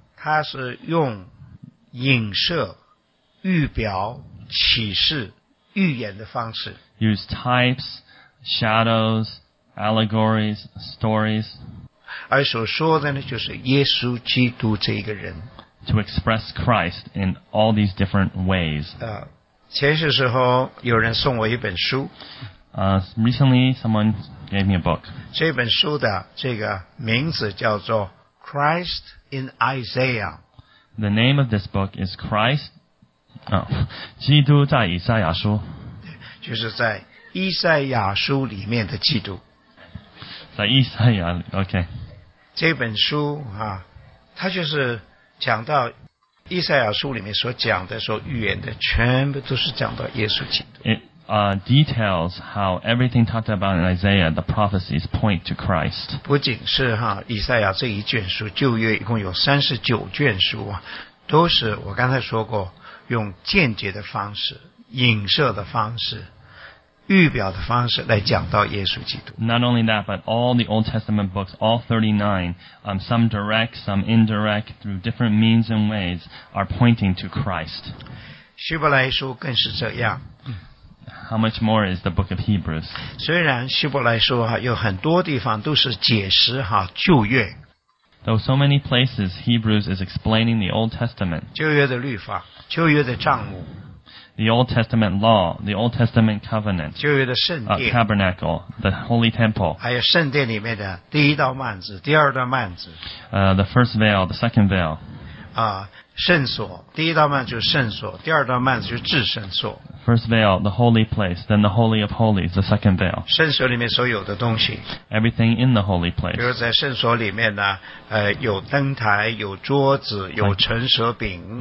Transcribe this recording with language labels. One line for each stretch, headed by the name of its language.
Chinese: 它是用影射、预表、启示、预言的方式。
English: Use types, shadows, allegories, stories.
Chinese: 而所说的呢，就是耶稣基督这一个人。
English: To express Christ in all these different ways.
Chinese: 前些时候有人送我一本书。
English: Recently, someone gave me a book.
Chinese: 这本书的这个名字叫做 Christ in Isaiah.
English: The name of this book is Christ,
Chinese: 基督在以赛亚书。就是在以赛亚书里面的基督。在以赛亚里 ,OK. 这本书啊，它就是讲到以赛亚书里面所讲的、所预言的，全部都是讲到耶稣基督。
English: Details how everything talked about in Isaiah, the prophecies point to Christ.
Chinese: 不仅是哈，以赛亚这一卷书，旧约一共有39卷书啊，都是我刚才说过，用间接的方式、影射的方式、预表的方式来讲到耶稣基督。
English: Not only that, but all the Old Testament books, all 39, some direct, some indirect, through different means and ways, are pointing to Christ.
Chinese: 希伯来书更是这样。
English: How much more is the book of Hebrews?
Chinese: 虽然希伯来书有很多地方都是解释旧约。
English: Though so many places, Hebrews is explaining the Old Testament.
Chinese: 旧约的律法，旧约的帐幕。
English: The Old Testament law, the Old Testament covenant,
Chinese: 旧约的圣殿,
English: tabernacle, the holy temple,
Chinese: 还有圣殿里面的第一道幔子, 第二道幔子,
English: the first veil, the second veil,
Chinese: 圣所, 第一道幔子就是圣所, 第二道幔子就是至圣所,
English: first veil, the holy place, then the holy of holies, the second veil,
Chinese: 圣所里面所有的东西,
English: everything in the holy place,
Chinese: 比如在圣所里面呢, 有灯台, 有桌子, 有陈设饼,